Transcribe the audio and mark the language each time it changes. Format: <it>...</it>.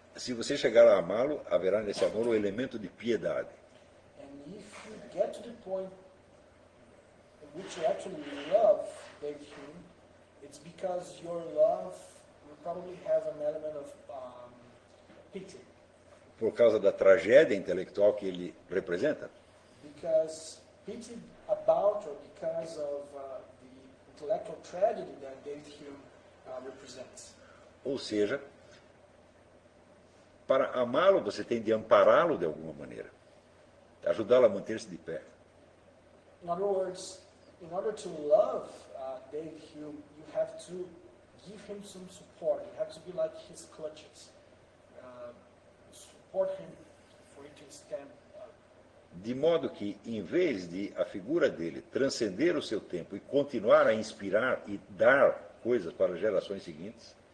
<pt>Se você chegar a amá-lo, haverá nesse amor um elemento de piedade.</pt> <en>And if you get to the point in which you actually love David Hume, it's because your love will probably have an element of pity.</en> <pt>Por causa da tragédia intelectual que ele representa?</pt> <en>Because pity about or because of the intellectual tragedy that David Hume represents.</en> <pt>Ou seja, para amá-lo você tem de ampará-lo de alguma maneira, ajudá-lo a manter-se de pé.</pt> <en>In other words, in order to love David Hume, you have to give him some support. You have to be like his clutches. Support him for him to stand.</en> <pt>De modo que, em vez de a figura dele transcender o seu tempo e continuar a inspirar e dar coisas para gerações seguintes,</pt>